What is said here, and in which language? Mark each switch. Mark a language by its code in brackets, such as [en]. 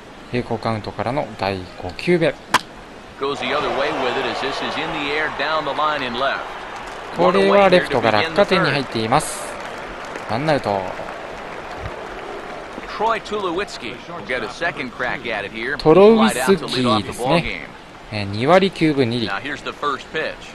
[ja] 平行カウントからの第5球目。 [en] Goes the other way with it as this is in the air down the line in left. [ja] これはレフトが落下点に入っています。ワンアウト。 [en] Troy Tulowitzki get a second crack at it here. [ja] トロウィスキーですね。 2割9分2厘。 [en] Now here's the first pitch.